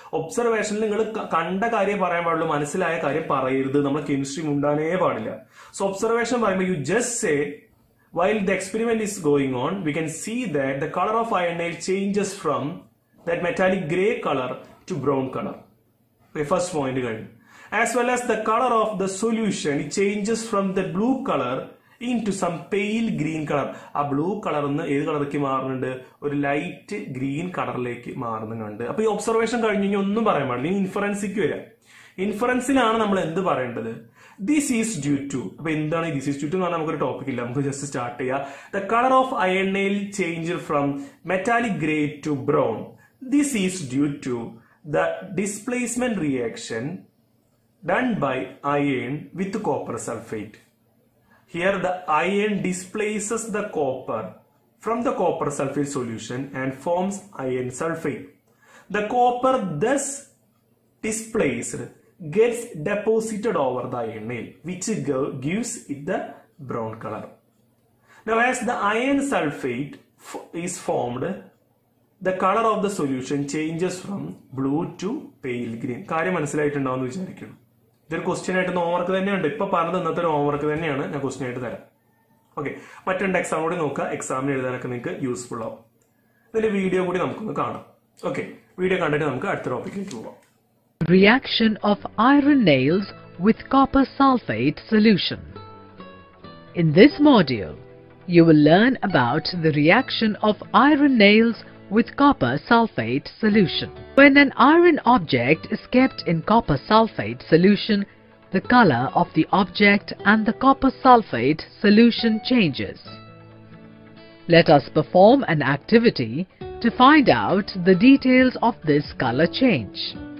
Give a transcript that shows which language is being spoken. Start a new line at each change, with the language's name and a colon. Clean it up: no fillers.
Malayalam: ഒബ്സർവേഷനിൽ നിങ്ങൾ കണ്ട കാര്യം പറയാൻ പാടുള്ളൂ, മനസ്സിലായ കാര്യം പറയരുത്, നമ്മളെ കെമിസ്ട്രി മുണ്ടാനേ പാടില്ല.
English: so
Malayalam: ഒബ്സർവേഷൻ പറയുമ്പോൾ
English: You just say while the experiment is going on we can see that the colour of അയണ്ണയിൽ changes from that metallic grey colour to brown colour.
Malayalam: First point കഴിഞ്ഞു.
English: As well as the color of the solution, it changes from the blue color into some pale green color.
Malayalam: ആ blue colour എന്ന് ഏത് കളറിലേക്ക് മാറുന്നുണ്ട്, ഒരു light green കളറിലേക്ക് മാറുന്നുണ്ട്. അപ്പൊ ഈ observation കഴിഞ്ഞു ഒന്നും പറയാൻ പാടില്ല, ഇനി ഇൻഫറൻസിക്ക് വരാം. ഇൻഫറൻസിലാണ് നമ്മൾ എന്ത് പറയേണ്ടത്,
English: This is due to.
Malayalam: അപ്പൊ എന്താണ് ഈ ദിസ് ഈസ് ഡ്യൂ ടു എന്ന് പറഞ്ഞാൽ നമുക്കൊരു ടോപ്പിക് ഇല്ല, നമുക്ക് ജസ്റ്റ് സ്റ്റാർട്ട് ചെയ്യാം.
English: The colour of അയണ്ണയിൽ change from metallic grey to brown, this is due to the displacement reaction done by iron with copper sulfate. Here the iron displaces the copper from the copper sulfate solution and forms iron sulfate. The copper thus displaced gets deposited over the iron nail which gives it the brown color. Now as the iron sulfate is formed, the color of the solution changes from blue to pale green.
Malayalam: കാര്യം മനസ്സിലായിട്ടുണ്ടോ എന്ന് വിചാരിക്കുന്നു. ഇതൊരു question ആയിട്ട് homework തന്നെയുണ്ട്, ഇപ്പൊ പറഞ്ഞത് ഇന്നത്തെ ഒരു ഹോംവർക്ക് തന്നെയാണ്, ഞാൻ ക്വസ്റ്റ്യൻ ആയിട്ട് തരാം. ഓക്കെ, മറ്റുണ്ട് എക്സാം കൂടി നോക്കുക, എക്സാമിന് എഴുതാനൊക്കെ നിങ്ങൾക്ക് യൂസ്ഫുൾ ആവും. ഇതിന്റെ വീഡിയോ കൂടി നമുക്കൊന്ന് കാണാം. ഓക്കെ, വീഡിയോ കണ്ടിട്ട് നമുക്ക് അടുത്ത ടോപ്പിക്കിലേക്ക് പോവാം.
English: Reaction of iron nails with copper sulphate solution. In this module you will learn about the reaction of iron nails with copper sulfate solution. When an iron object is kept in copper sulfate solution, the color of the object and the copper sulfate solution changes. Let us perform an activity to find out the details of this color change.